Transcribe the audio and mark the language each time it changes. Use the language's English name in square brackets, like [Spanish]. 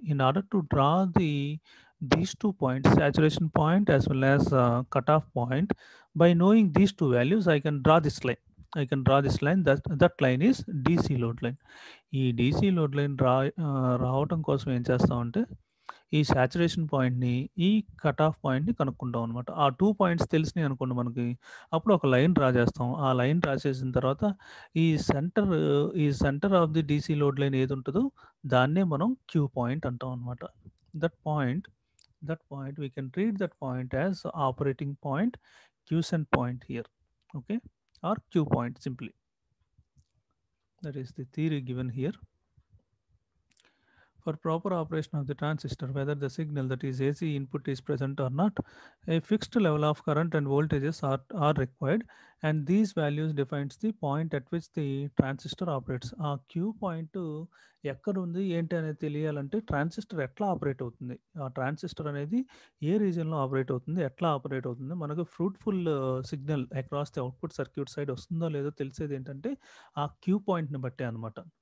[English] In order to draw these two points, saturation point as well as cutoff point, by knowing these two values I can draw this line. That line is DC load line. [Telugu] ఈ DC load line రావటం కోసం ఏం చేస్తాం అంటే ఈ saturation పాయింట్ని ఈ cut off పాయింట్ని కనుక్కుంటాం అనమాట. ఆ టూ పాయింట్స్ తెలిసినాయి అనుకోండి మనకి, అప్పుడు ఒక లైన్ డ్రా చేస్తాం. ఆ లైన్ డ్రా చేసిన తర్వాత ఈ [English] centre of the DC load line [Telugu] ఏది ఉంటుందో దాన్నే మనం క్యూ పాయింట్ అంటాం అనమాట. [English] That point we can read that point as operating point quiescent point here. Okay, or Q point simply. That is the theory given here. For proper operation of the transistor, whether the signal, that is AC input, is present or not, a fixed level of current and voltages are required, and these values defines the point at which the transistor operates. [Telugu] Aa Q point ఎక్కడ ఉంది ఏంటి అనేది తెలియాలంటే transistor ఎట్లా operate అవుతుంది, ఆ transistor అనేది ఏ రీజియన్లో operate అవుతుంది, ఎట్లా ఆపరేట్ అవుతుంది, మనకు [English] fruitful signal across the output circuit side [Telugu] వస్తుందో లేదో తెలిసేది ఏంటంటే ఆ క్యూ పాయింట్ని బట్టే అనమాట.